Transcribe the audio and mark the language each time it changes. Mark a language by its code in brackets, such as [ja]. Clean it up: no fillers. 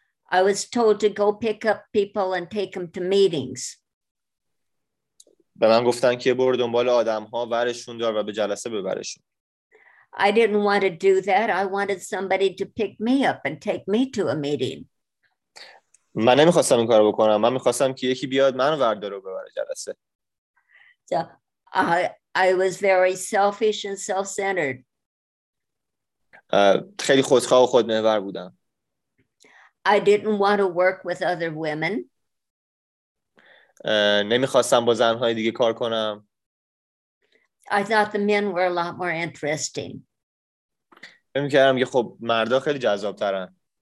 [en] I was told to go pick up people and take them to meetings. [fa] به من گفتن که برو دنبال آدم‌ها، ورشون دار و به جلسه ببرشون. [en] I didn't want to do that. I wanted somebody to pick me up and take me to a meeting. [fa] من نمی‌خواستم این کارو بکنم. من می‌خواستم که یکی بیاد منو وردار و ببره جلسه. [en] So I was very selfish and self-centered. [fa] خیلی خودخواه و خودمحور بودم. [en] I didn't want to work with other women. [fa] نمی‌خواستم با زن‌های دیگه کار کنم. [en] I thought the men were a lot more interesting. [fa] می‌گفتم که خب مردا خیلی جذاب‌ترن.